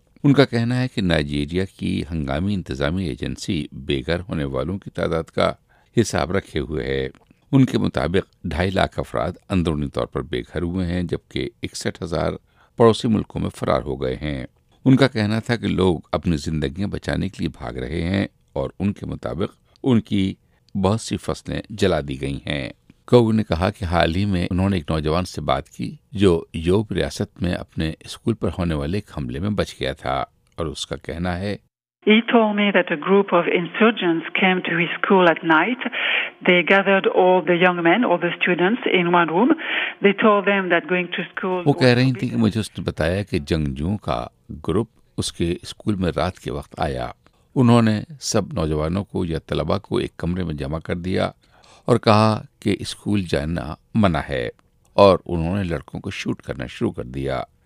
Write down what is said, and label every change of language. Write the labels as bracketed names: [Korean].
[Urdu] ان کا کہنا ہے کہ نائجیریا کی ہنگامی انتظامی ایجنسی بے گھر ہونے والوں کی تعداد کا حساب رکھے ہوئے ہے۔ ان کے مطابق 2.5 لاکھ افراد اندرونی طور پر بے گھر ہوئے ہیں جبکہ 61,000 پڑوسی ملکوں میں فرار ہو گئے ہیں۔ ان کا کہنا تھا کہ لوگ اپنی زندگیاں بچانے کے لیے بھاگ رہے ہیں اور ان کے مطابق ان کی بہت سی فصلیں جلا دی گئی ہیں۔ کوگ نے کہا کہ حال ہی میں انہوں نے ایک نوجوان سے بات کی جو یوب ریاست میں اپنے اسکول پر ہونے والے ایک حملے میں بچ گیا تھا، اور اس کا کہنا ہے [English] He told me that a group of insurgents came to his school at night. They gathered all the young men, all the students in one room. They told them that going to school... [Urdu] وہ کہہ رہی تھی کہ مجھے اس نے بتایا کہ جنگجوؤں کا گروپ اس کے اسکول میں رات کے وقت آیا۔ انہوں نے سب نوجوانوں کو یا طلبہ کو ایک کمرے میں جمع کر دیا اور کہا کہ اسکول جانا منع ہے، اور انہوں نے لڑکوں کو شوٹ کرنا شروع کر دیا۔